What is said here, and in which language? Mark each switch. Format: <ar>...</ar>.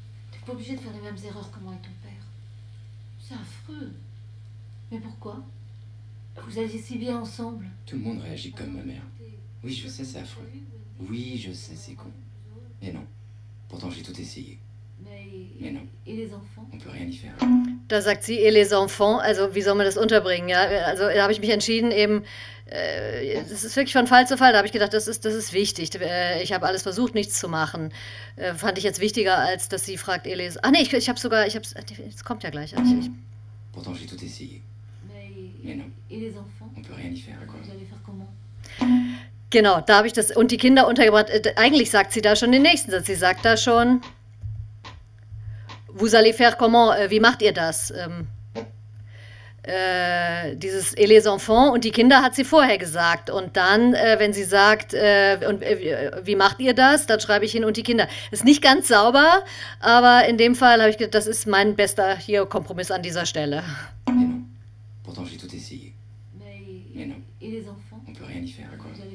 <fr>T'es pas obligé de faire les mêmes erreurs que moi et ton père. C'est affreux. Mais pourquoi? Vous alliez si bien ensemble. Tout le monde réagit comme ma mère. Oui, je sais, c'est affreux. Oui, je sais, c'est con. Mais non. Pourtant, j'ai tout essayé. Mais non. Et les enfants? On peut rien y faire.</fr> <de>Da sagt sie,</de> <fr>et les enfants,</fr> <de>also wie soll man das unterbringen? Ja? Also da habe ich mich entschieden, eben, es ist wirklich von Fall zu Fall, da habe ich gedacht, das ist wichtig. Ich habe alles versucht, nichts zu machen. Fand ich jetzt wichtiger, als dass sie fragt,</de> <fr>et les...</fr> <de>Ach nee, ich habe sogar, ich habe es... kommt ja gleich. Also, ich...</de> <fr>Pourtant, j'ai tout essayé. Mais non. Et les enfants? On peut rien y faire, quoi. Vous allez faire comment?</fr> <de>Genau, da habe ich das und die Kinder untergebracht. Eigentlich sagt sie da schon den nächsten Satz. Sie sagt da schon,</de> <fr>vous allez faire comment?</fr> <de>Wie macht ihr das? Dieses</de> <fr>et les enfants</fr> <de>und die Kinder hat sie vorher gesagt. Und dann, wenn sie sagt, und, wie macht ihr das? Dann schreibe ich hin und die Kinder. Ist nicht ganz sauber, aber in dem Fall habe ich gedacht, das ist mein bester hier Kompromiss an dieser Stelle.</de> <fr>Mais non. Pourtant, j'ai tout essayé. Mais, mais non. Et les enfants? On peut rien y faire, quoi.</fr>